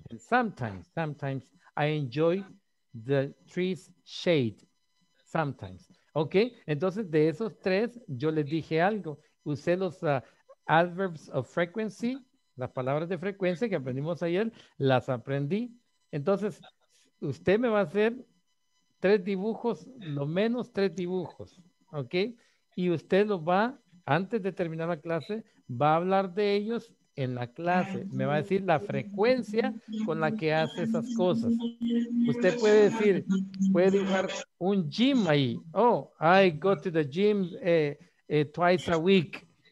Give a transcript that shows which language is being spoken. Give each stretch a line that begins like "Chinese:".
English: And sometimes, I enjoy the tree's shade sometimes.
Spanish: Okay, entonces de esos tres, yo les dije algo. Usé los adverbs of frequency, las palabras de frecuencia que aprendimos ayer, las aprendí. Entonces, usted me va a hacer tres dibujos, lo menos tres dibujos. Okay, y usted lo va, antes de terminar la clase, va a hablar de ellos. En la clase, me va a decir la frecuencia con la que hace esas cosas. Usted puede dibujar un gym ahí.
English: Oh, I go to the gym twice a week.